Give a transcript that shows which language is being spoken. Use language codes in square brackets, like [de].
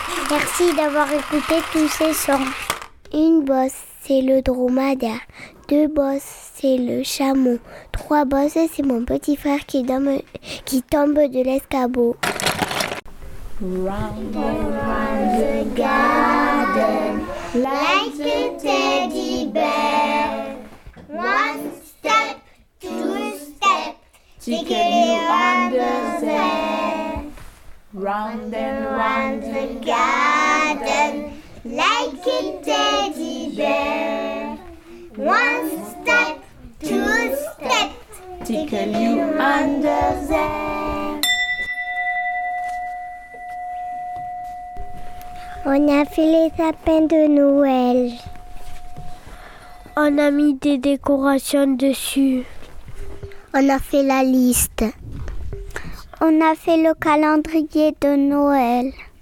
[fr] Merci d'avoir écouté tous ces sons. Une bosse, c'est le dromadaire. Deux bosses, c'est le chameau. Trois bosses, c'est mon petit frère qui tombe de l'escabeau. [en] Round around the garden, like a teddy bear. One step, two step, tickling under there. Round and round the garden, like a teddy bear. One step, two step, tickle you under there. [fr] On a fait les sapins de Noël. On a mis des décorations dessus. On a fait la liste. On a fait le calendrier de Noël.